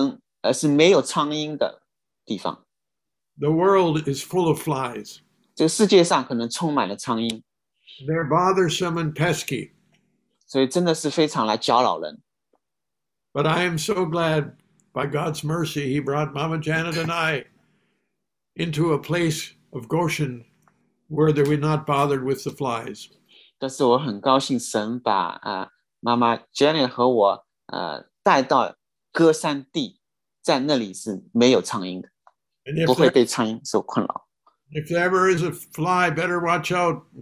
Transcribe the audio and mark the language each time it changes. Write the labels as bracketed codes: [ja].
[zh] 是一个地方是没有苍蝇的地方。 [en] The world is full of flies. [zh] 这个世界上可能充满了苍蝇。 [en] They're bothersome and pesky. [zh] 所以真的是非常来搅扰人。 [en] But I am so glad. By God's mercy, he brought Mama Janet and I into a place of Goshen where they were not bothered with the flies. [zh] 但是我很高兴神把妈妈Janet和我带到歌山地，在那里是没有苍蝇的，不会被苍蝇所困扰。 [en] If there ever is a fly, better watch out.